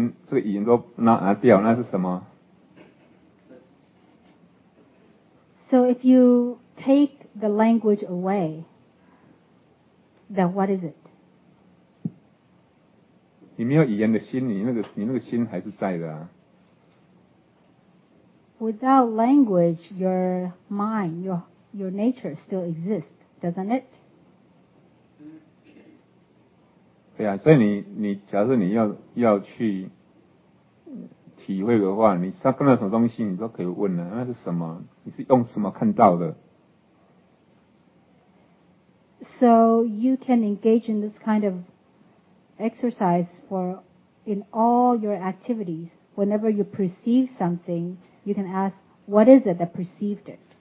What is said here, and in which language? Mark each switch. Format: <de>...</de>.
<zh>现在就说语言都拿掉那是什么</zh> <en>So if you take the language away then what is it?</en> <zh>你没有语言的心你那个心还是在的啊</zh> <en>Without language your mind your nature still exists doesn't it?</en> <zh>对啊,所以你假设你要去体会的话,你看到什么东西你都可以问啊,那是什么,你是用什么看到的?</zh> <en>So you can engage in this kind of exercise in all your activities. Whenever you perceive something, you can ask, what is it that perceived it?</en>